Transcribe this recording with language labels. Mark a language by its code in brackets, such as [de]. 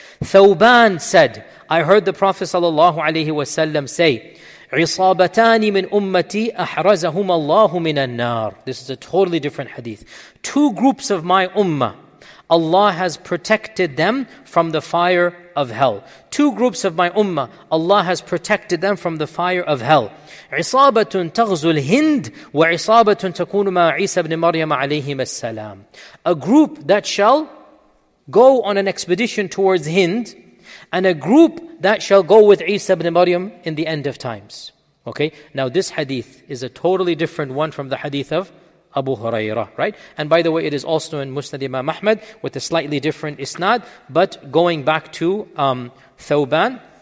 [en] Thawban said, I heard the Prophet sallallahu alaihi wasallam say, [ar] عِصَابَتَانِ مِنْ أُمَّتِي أَحْرَزَهُمَ اللَّهُ مِنَ النَّارِ. [en] This is a totally different hadith. Two groups of my ummah, Allah has protected them from the fire of hell. Two groups of my ummah, Allah has protected them from the fire of hell. [ar] عِصَابَةٌ تَغْزُ الْهِنْدِ وَعِصَابَةٌ تَكُونُ مَا عِيسَى بْنِ مَرْيَمَ عَلَيْهِمَ السَّلَامِ. [en] A group that shall go on an expedition towards Hind, and a group that shall go with Isa ibn Maryam in the end of times. Okay, now this hadith is a totally different one from the hadith of Abu Hurairah, right? And by the way, it is also in Musnad Imam Ahmad with a slightly different isnad, but going back to Thawban.